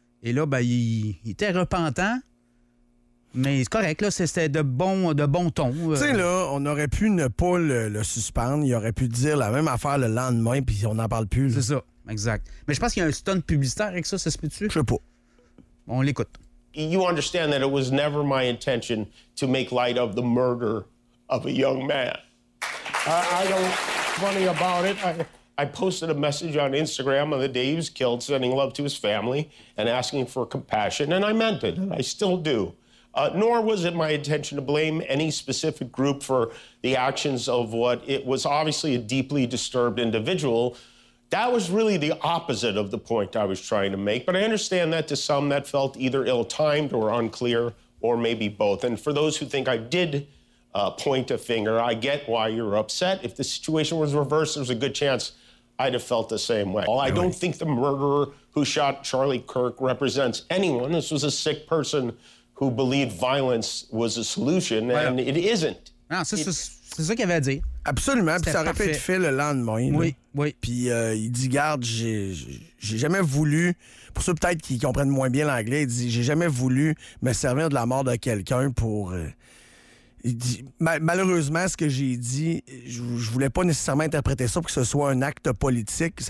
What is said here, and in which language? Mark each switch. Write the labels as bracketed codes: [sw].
[fr] Et là, ben, il était repentant. Mais c'est correct, là, c'était de bon ton. Tu sais, là, on aurait pu ne pas le suspendre. Il aurait pu dire la même affaire le lendemain, puis on n'en parle plus. Là. C'est ça, exact. Mais je pense qu'il y a un stunt publicitaire avec ça, ça se peut-tu? Je sais pas. On l'écoute. [en] You understand that it was never my intention to make light of the murder of a young man. I don't... funny about it, I posted a message on Instagram on the day he was killed, sending love to his family and asking for compassion, and I meant it. I still do. Nor was it my intention to blame any specific group for the actions of what it was obviously a deeply disturbed individual. That was really the opposite of the point I was trying to make, but I understand that to some that felt either ill-timed or unclear, or maybe both. And for those who think I did point a finger, I get why you're upset. If the situation was reversed, there's a good chance I'd have felt the same way. Really? I don't think the murderer who shot Charlie Kirk represents anyone. This was a sick person who believed violence was a solution, and it isn't. [fr] Non, c'est ça qu'il avait à dire. Absolument, puis ça aurait pu être fait le lendemain. Oui, là. Oui. Puis il dit, garde, j'ai jamais voulu, pour ceux peut-être qui comprennent moins bien l'anglais, il dit, j'ai jamais voulu me servir de la mort de quelqu'un pour... Il dit, malheureusement, ce que j'ai dit, je voulais pas nécessairement interpréter ça pour que ce soit un acte politique.